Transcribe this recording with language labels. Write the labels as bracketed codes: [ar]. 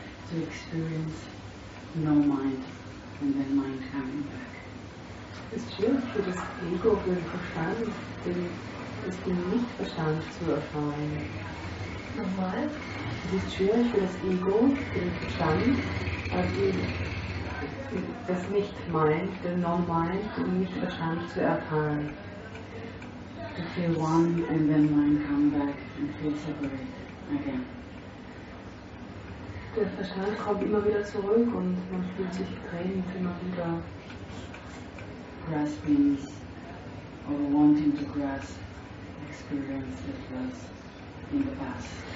[en] To experience no mind and then mind coming back. [de] Ist schwierig für das Ego, für den Verstand, das Nichtverstand zu erfahren. Nochmal? Es ist schwierig für das Ego, den Verstand, also das Nicht-Mind, den Non-Mind, den Nicht-Verstand zu erfahren. [en] To feel one and then mind come back and feel separate again. [de] Der Verstand kommt immer wieder zurück und man fühlt sich getrennt immer wieder. [en] Grasping or wanting to grasp experience that was in the past.